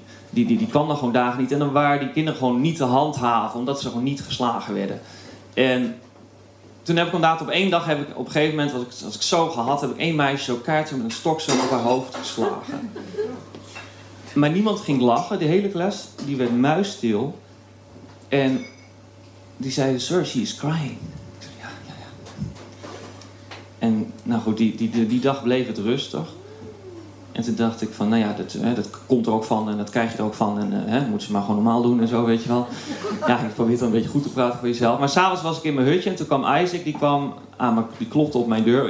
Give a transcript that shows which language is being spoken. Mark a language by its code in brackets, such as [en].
[nl] Die kwam dan gewoon dagen niet. En dan waren die kinderen gewoon niet te handhaven, omdat ze gewoon niet geslagen werden. En toen heb ik inderdaad op één dag, heb ik op een gegeven moment, als ik zo gehad, heb ik één meisje zo kaartje met een stok zo op haar hoofd geslagen. Maar niemand ging lachen, de hele klas, die werd muisstil. En die zei, [en] sir, she is crying. [nl] Ik zei, ja, ja, ja. En nou goed, die dag bleef het rustig. En toen dacht ik van, nou ja, dat komt er ook van en dat krijg je er ook van. En moet ze maar gewoon normaal doen en zo, weet je wel. Ja, ik probeer dan een beetje goed te praten voor jezelf. Maar s'avonds was ik in mijn hutje en toen kwam Isaac, die klopte op mijn deur.